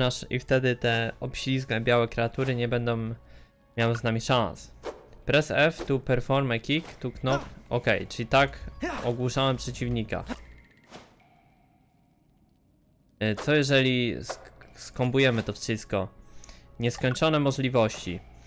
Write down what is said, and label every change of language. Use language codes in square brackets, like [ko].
[pl] I wtedy te obślizgłe białe kreatury nie będą miały z nami szans. [en] Press F to perform a kick to knock. [pl] Ok, czyli tak ogłuszałem przeciwnika. Co jeżeli skombujemy to wszystko? Nieskończone możliwości.